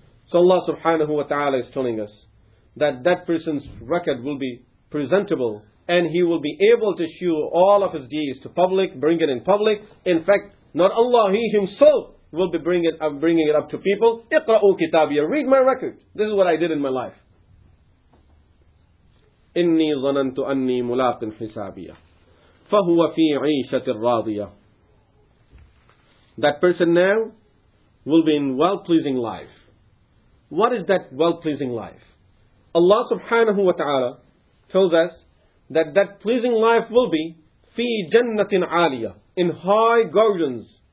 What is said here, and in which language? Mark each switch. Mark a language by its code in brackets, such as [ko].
[en] So Allah subhanahu wa ta'ala is telling us that that person's record will be presentable and he will be able to show all of his deeds to public, bring it in public. In fact, not Allah, he himself will be bringing it up to people. [ar] اقرأوا كتابي. [en] Read my record. This is what I did in my life. [ar] إني ظننت أني ملاق حسابي فهو في عيشة راضية. [en] That person now will be in well-pleasing life. What is that well-pleasing life? Allah subhanahu wa ta'ala tells us that pleasing life will be [ar] في جنة عالية, [en] in high gardens.